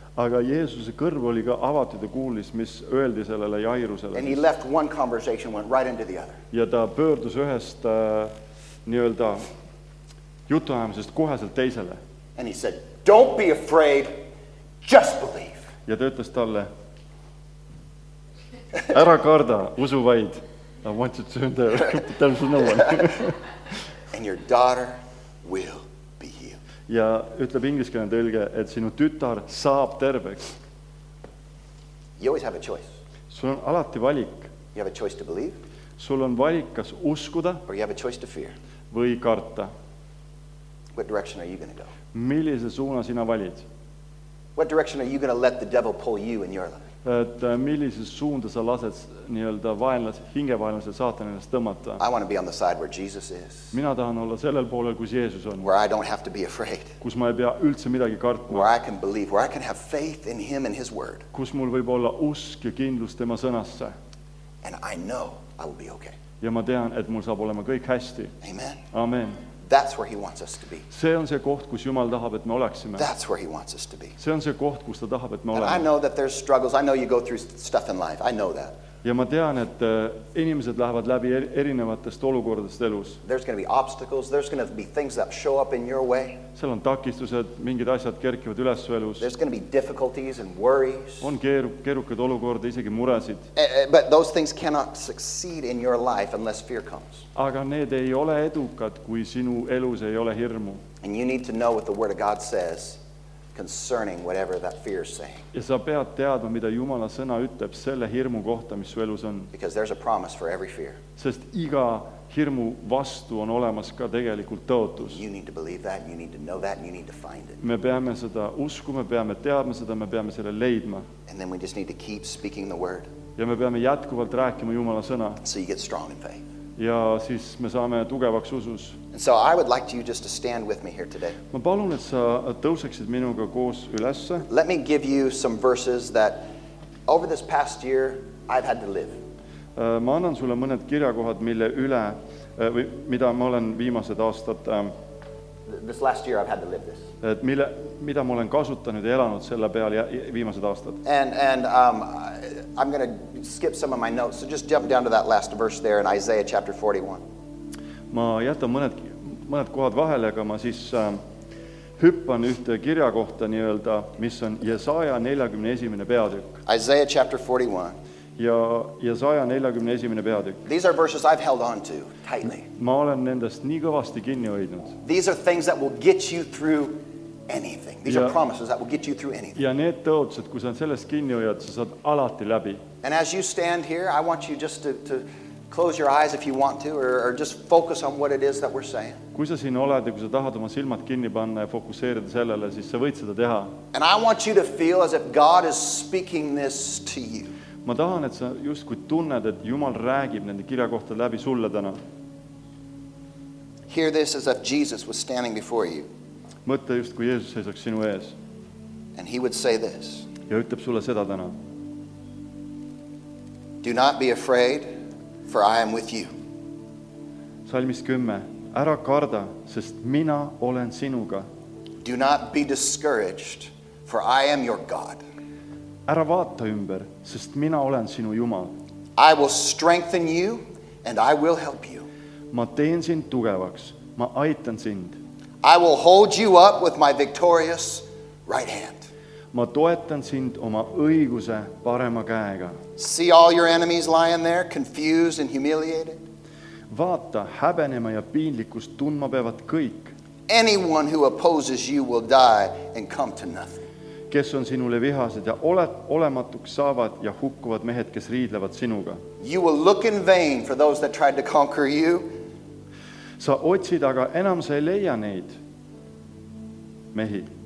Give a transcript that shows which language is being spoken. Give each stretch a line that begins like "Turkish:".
Estonian: Aga Jeesuse kõrv oli ka avatud ja kuulis, mis öeldi sellele Jairusele.
English: And he left one conversation, went right into the other.
Estonian: Ja ta pöördus ühest nii-öelda jutuajamisest koheselt teisele.
English: And he said, don't be afraid, just believe.
Estonian: Ja ta ütles talle, ära karda, usu vaid.
English: I want you to turn there, tell us no one. And your daughter will.
Estonian: Ja ütleb ingliskeelne tõlge, et sinu tütar saab terveks.
English: You always have a choice.
Estonian: Sul on alati valik.
English: You have a choice to believe.
Estonian: Sul on valik kas uskuda.
English: Or you have a choice to fear.
Estonian: Või karta.
English: What direction are you going to go?
Estonian: Millise suuna sina valid?
English: What direction are you going to let the devil pull you in your life?
Estonian: Et millise suunda sa lased nii-öelda hingevaenlase saatanast tõmmata.
English: I want to be on the side where Jesus is.
Estonian: Mina tahan olla sellel poolel, kus Jeesus on.
English: Where I don't have to be afraid.
Estonian: Kus ma ei pea üldse midagi kartma.
English: Where I can believe, where I can have faith in him and his word.
Estonian: Kus mul võib olla usk ja kindlus tema sõnasse.
English: And I know I will be okay.
Estonian: Ja ma tean, et mul saab olema kõik hästi.
English: Amen.
Estonian: Amen.
English: That's where he wants us to be.
Estonian: See on see koht, kus Jumal tahab, et me oleksime.
English: That's where he wants us to be.
Estonian: See on see koht, kus ta tahab, et me oleksime.
English: I know that there's struggles. I know you go through stuff in life. I know that.
Estonian: Ja ma tean, et inimesed lähevad läbi erinevatest olukordest elus.
English: There's going to be obstacles. There's going to be things that show up in your way.
Estonian: Seal on takistused, mingid asjad kerkivad üles elus.
English: There's going to be difficulties and worries.
Estonian: On keerukad olukorda, isegi muresid.
English: But those things cannot succeed in your life unless fear comes.
Estonian: Aga need ei ole edukad, kui sinu elus ei ole hirmu.
English: And you need to know what the Word of God says concerning whatever that fear is saying.
Estonian: Ja sa pead teadma, mida Jumala sõna ütleb selle hirmu kohta, mis su elus on.
English: Because there's a promise for every fear.
Estonian: Sest iga hirmu vastu on olemas ka tegelikult tõotus.
English: You need to believe that, you need to know that, and you need to find it.
Estonian: Me peame seda uskuma, me peame teadma seda, me peame selle leidma.
English: And then we just need to keep speaking the word.
Estonian: Ja me peame jätkuvalt rääkima Jumala sõna.
English: So you get strong in faith.
Estonian: Ja siis me saame tugevaks usus.
English: And so I would like you just to stand with me here today.
Estonian: Ma palun, et sa tõuseksid minuga koos ülesse.
English: Let me give you some verses that over this past year I've had to live.
Estonian: Ma annan sulle mõned kirjakohad, mille üle, või mida ma olen viimased aastad.
English: This last year I've had to live this.
Estonian: Et mille, mida ma olen kasutanud ja elanud selle peal viimased aastad.
English: And I'm going to skip some of my notes, so just jump down to that last verse there in Isaiah chapter 41.
Estonian: Ma jätan mõned kohad vahele, aga ma siis hüppan ühte kirjakohta nii-öelda, mis on Jesaja 41. peatükk.
English: Isaiah chapter 41.
Estonian: Ja Jesaja 41. peatükk.
English: These are verses I've held on to tightly.
Estonian: Ma olen nendest nii kõvasti kinni hoidnud.
English: These are things that will get you through anything. These are promises that will get you through anything.
Estonian: Ja need tõotsed, kui sa sellest kinni hoiad, sa saad alati läbi.
English: And as you stand here, I want you just to close your eyes if you want to, or just focus on what it is that we're saying.
Estonian: Kui sa siin oled ja kui sa tahad oma silmad kinni panna ja fokuseerida sellele, siis sa võid seda teha.
English: And I want you to feel as if God is speaking this to you.
Estonian: Ma tahan, et sa just kui tunned, et Jumal räägib nende kirjakohta läbi sulle täna.
English: Hear this as if Jesus was standing before you.
Estonian: mõtle just kui Jeesus seisaks sinu ees.
English: And he would say this.
Estonian: Ja ütleb sulle seda täna.
English: Do not be afraid, for I am with you.
Estonian: Salmis 10. Ära karda, sest mina olen sinuga.
English: Do not be discouraged, for I am your God.
Estonian: Ära vaata ümber, sest mina olen sinu Jumal.
English: I will strengthen you and I will help you.
Estonian: Ma teen sind tugevaks, ma aitan sind.
English: I will hold you up with my victorious right hand.
Estonian: Ma toetan sind oma õiguse parema käega.
English: See all your enemies lying there, confused and humiliated?
Estonian: Vaata, häbenema ja piinlikust tundma peavad kõik.
English: Anyone who opposes you will die and come to nothing.
Estonian: Kes on sinule vihased ja olematuks saavad ja hukkuvad mehed, kes riidlevad sinuga.
English: You will look in vain for those that tried to conquer you.
Estonian: Sa otsid, aga enam sa ei leia neid mehi.